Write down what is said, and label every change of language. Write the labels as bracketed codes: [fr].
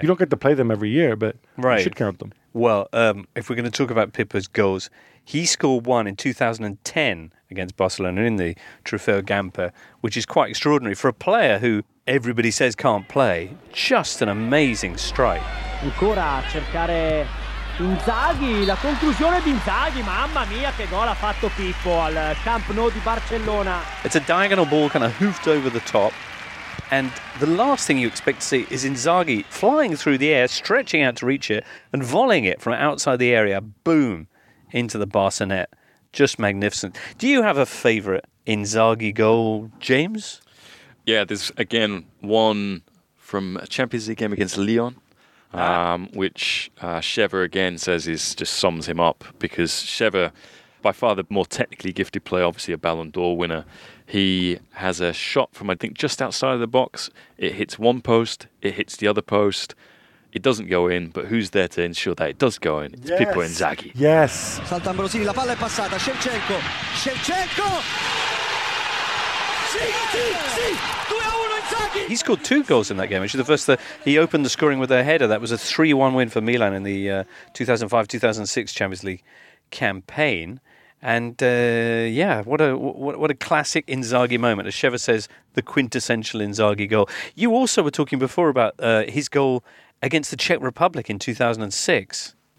[en] You don't get to play them every year, but right. You should count them. Well, if we're going to talk about Pippa's goals, he scored one in 2010 against Barcelona in the Trofeo Gamper, which is quite extraordinary. For a player who everybody says can't play, just an amazing strike. [it] Ancora cercare Inzaghi, la conclusione di Inzaghi, mamma mia che gol ha fatto Pippo al Camp Nou di Barcellona. [en] It's a diagonal ball kind of hoofed over the top, and the last thing you expect to see is Inzaghi flying through the air, stretching out to reach it, and volleying it from outside the area, boom, into the Barca net. Just magnificent. Do you have a favourite Inzaghi goal, James? Yeah, there's again one from a Champions League game against Lyon. Which Sheva again says is just sums him up, because Sheva, by far the more technically gifted player, obviously a Ballon d'Or winner, he has a shot from, I think, just outside of the box. It hits one post, it hits the other post, it doesn't go in, but who's there to ensure that it does go in? It's yes. Pippo Inzaghi. Yes. [it] Salta Ambrosini, la palla è passata, Shevchenko, Shevchenko! Sì, sì, sì! [en] He scored two goals in that game. Actually, the first, he opened the scoring with a header. That was a 3-1 win for Milan in the 2005-2006 Champions League campaign. And what a classic Inzaghi moment. As Sheva says, the quintessential Inzaghi goal. You also were talking before about his goal against the Czech Republic in 2006.